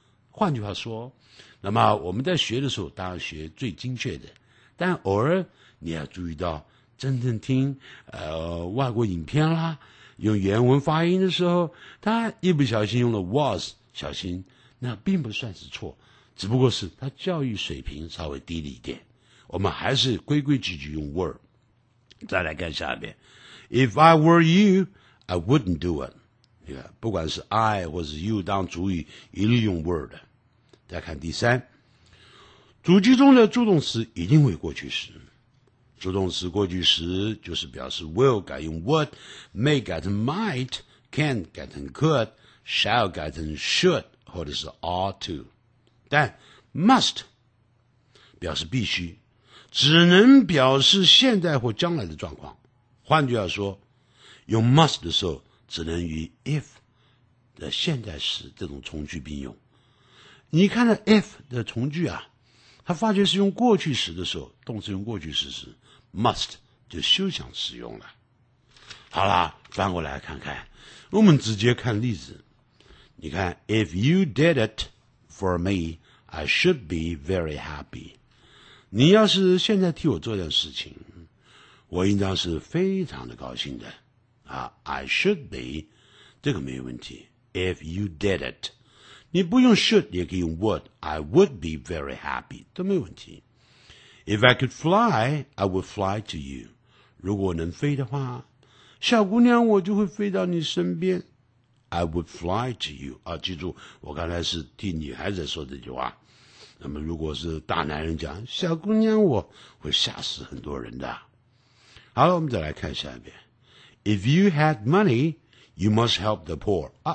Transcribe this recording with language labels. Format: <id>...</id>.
<zh>换句话说，那么我们在学的时候，当然学最精确的，但偶尔你要注意到，真正听外国影片啦，用原文发音的时候，他一不小心用了 was， 小心，那并不算是错。只不过是他教育水平稍微低了一点，我们还是规规矩矩用 were。再来看下面</zh> <en>，If I were you, I wouldn't do it。</en> <zh>你看，不管是 I 或是 you 当主语，一律用 were 的。再看第三，主句中的助动词一定为过去时。助动词过去时就是表示 will 改用 would， may 改成 might， can 改成 could， shall 改成 should， 或者是 ought to。但 must 表示必须，只能表示现在或将来的状况。换句话说，用 must 的时候只能与 if 的现在时这种从句并用。你看到 if 的从句啊，他发觉是用过去时的时候，动词用过去时时 must 就休想使用了。好啦，翻过来看看，我们直接看例子。你看</zh> <en>if you did it for meI should be very happy.</en> <zh>你要是现在替我做点事情，我应当是非常的高兴的。</zh> <en>I should be,</en> <zh>这个没有问题。</zh> <en>If you did it,</en> <zh>你不用</zh> <en>should,</en> <zh>你也可以用</zh> <en>would, I would be very happy,</en> <zh>都没有问题。</zh> <en>If I could fly, I would fly to you.</en> <zh>如果我能飞的话，小姑娘我就会飞到你身边。</zh> <en>I would fly to you.</en> <zh>啊，记住，我刚才是替女孩子说这句话。那么如果是大男人讲，小姑娘我会吓死很多人的。好了，我们再来看下一遍。</zh> <en>If you had money, you must help the poor.</en>